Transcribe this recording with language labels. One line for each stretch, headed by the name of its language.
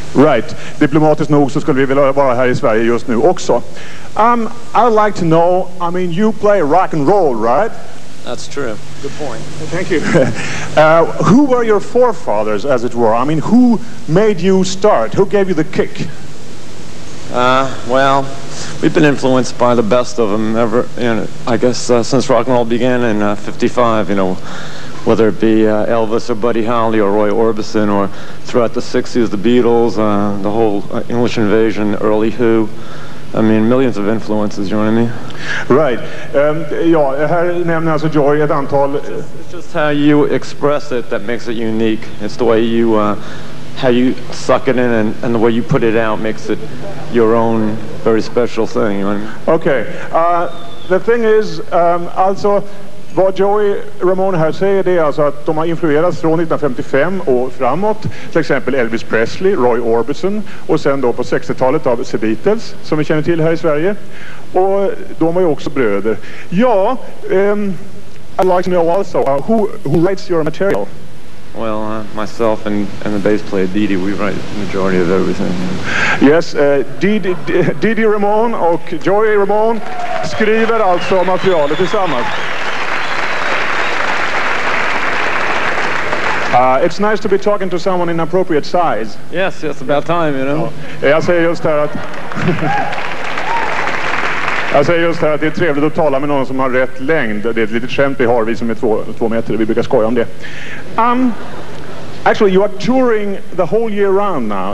Swedish: Right, diplomatiskt nog så skulle vi vilja vara här i Sverige just nu också.
English: I'd like to know, I mean, you play rock and roll, right? That's true, good point. Thank you. Who were your forefathers, as it were? I mean, who made you start? Who gave you the kick? Well, we've been influenced by the best of them ever, you know, I guess since rock and roll began in 55, you know, whether it be Elvis or Buddy Holly or Roy Orbison, or throughout the 60s, the Beatles, the whole English Invasion, early Who. I mean, millions of influences, you know what I mean? Right.
Swedish: Här nämner alltså Joy ett antal...
English: It's just how you express it that makes it unique. It's the way you... how you suck it in and the way you put it out makes it your own very special thing, you know what I mean? Okay. The thing is,
Swedish: alltså, vad Joey Ramon här säger det är alltså att de har influerats från 1955 och framåt, till exempel Elvis Presley, Roy Orbison och sen då på 60-talet av The Beatles, som vi känner till här i Sverige. Och de var ju också bröder.
English: Ja, I'd like to know also, who writes your material? Well, myself and the bass player Didi, we write the majority of everything.
Swedish: Yes, Didi Ramon och Joey Ramon skriver alltså materialet tillsammans.
English: It's nice to be talking to someone in appropriate size. Yes, it's about time, you know.
Swedish: Jag säger just här att det är trevligt att tala med någon som har rätt längd. Det är ett litet skämt vi har, vi som är två meter. Vi brukar skoja om det.
English: Actually, you are touring the whole year round now.